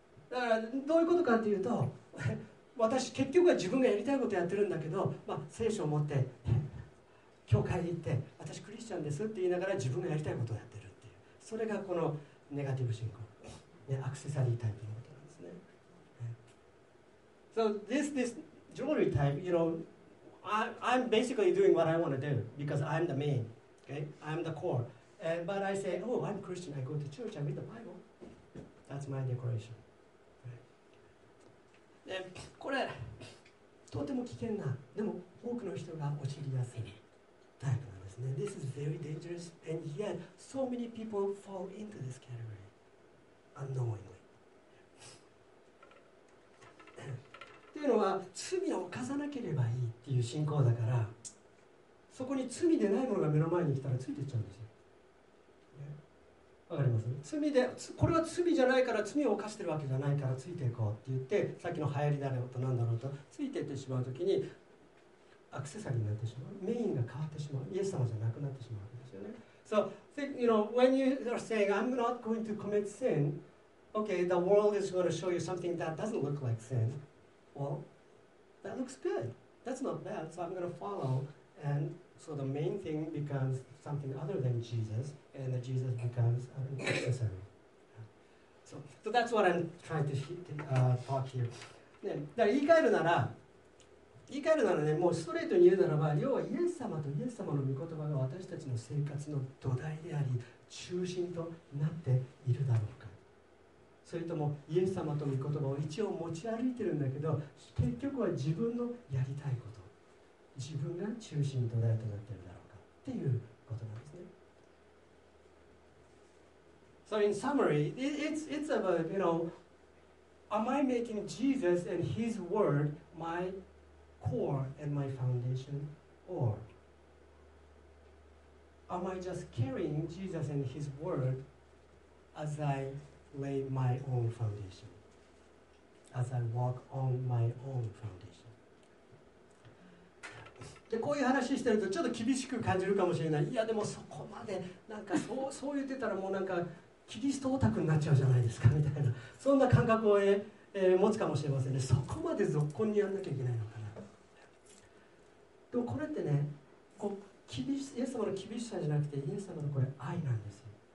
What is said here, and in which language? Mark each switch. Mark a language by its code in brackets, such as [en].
[ja] だからどういうことかというと、私結局は自分がやりたいことやってるんだけど、まあ、聖書を持って教会に行って私クリスチャンですって言いながら自分がやりたいことをやってるっていう、それがこのネガティブ信仰、ね、アクセサリータイプのことなんですね。 [en] So this jewelry type, you know, I'm basically doing what I want to do because I'm the main. Okay? I'm the core. And, but I say, oh, I'm Christian. I go to church. I read the Bible. That's my decoration. [ja] で、これ、とても危険な、でも多くの人が陥りやすいタイプなんですね。 [en] This is very dangerous. And yet, so many people fall into this category unknowingly. [ja] というのは、罪を犯さなければいいっていう信仰だから、そこに罪でないものが目の前に来たらついていっちゃうんですよ。わかります？罪で、これは罪じゃないから罪を犯してるわけじゃないからついていこうって言って、さっきの流行りだろうとなんだろうとついていってしまうときにアクセサリーになってしまう。メインが変わってしまう。イエス様じゃなくなってしまうわけですよね。 [en] So, think, you know, when you are saying, I'm not going to commit sin, okay, the world is going to show you something that doesn't look like sin. Well, that looks good. That's not bad, so I'm going to follow. And so the main thing becomes something other than Jesus, and the Jesus becomes an accessory. So that's what I'm trying to talk here. [ja] ね、だから言い換えるならね、もうストレートに言うならば、要はイエス様とイエス様の御言葉が私たちの生活の土台であり、中心となっているだろうか。それともイエス様との言葉を一応持ち歩いてるんだけど、結局は自分のやりたいこと、自分が中心土台となってるだろうかっていうことなんですね。 [en] So in summary, it's about, you know, am I making Jesus and His word my core and my foundation, or am I just carrying Jesus and His word as I lay my own foundation, as I walk on my own foundation? [ja] で、こういう話してるとちょっと厳しく感じるかもしれない。いやでもそこまでなんかそう言ってたらもうなんかキリストオタクになっちゃうじゃないですかみたいな、そんな感覚を持つかもしれませんね。そこまでぞっこんにやんなきゃいけないのかな。でもこれってね、こう厳しイエス様の厳しさじゃなくてイエス様のこれ愛なんですよ。